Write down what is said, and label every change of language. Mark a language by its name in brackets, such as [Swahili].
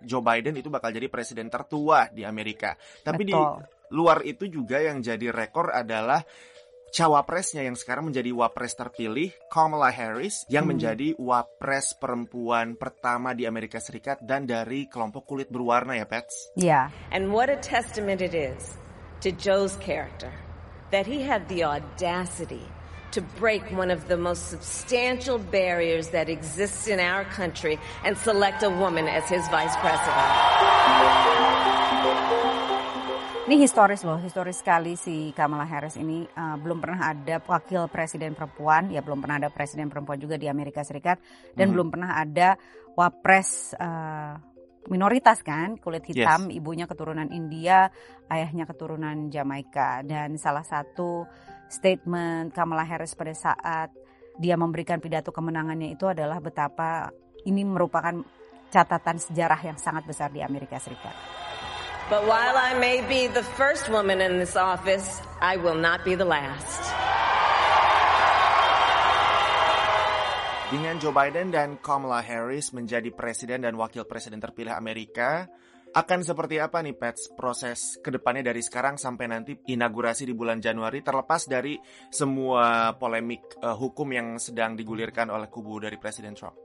[Indonesian] Joe Biden itu bakal jadi presiden tertua di Amerika. Tapi betul, di luar itu juga yang jadi rekor adalah cawapresnya yang sekarang menjadi wapres terpilih, Kamala Harris, yang menjadi wapres perempuan pertama di Amerika Serikat dan dari kelompok kulit berwarna ya, Pets. Yeah. [English] And what a testament it is to Joe's character that he had the audacity to break one of the most substantial barriers that exists in our country and select a woman as his vice president. [Indonesian] Ini historis loh, historis sekali si Kamala Harris ini. Belum pernah ada wakil presiden perempuan, ya belum pernah ada presiden perempuan juga di Amerika Serikat, dan belum pernah ada wapres minoritas kan, kulit hitam, ibunya keturunan India, ayahnya keturunan Jamaika. Dan salah satu statement Kamala Harris pada saat dia memberikan pidato kemenangannya itu adalah betapa ini merupakan catatan sejarah yang sangat besar di Amerika Serikat. [English] But while I may be the first woman in this office, I will not be the last. [Indonesian] Dengan Joe Biden dan Kamala Harris menjadi presiden dan wakil presiden terpilih Amerika, akan seperti apa nih, Pets, proses kedepannya dari sekarang sampai nanti inaugurasi di bulan Januari, terlepas dari semua polemik hukum yang sedang digulirkan oleh kubu dari Presiden Trump?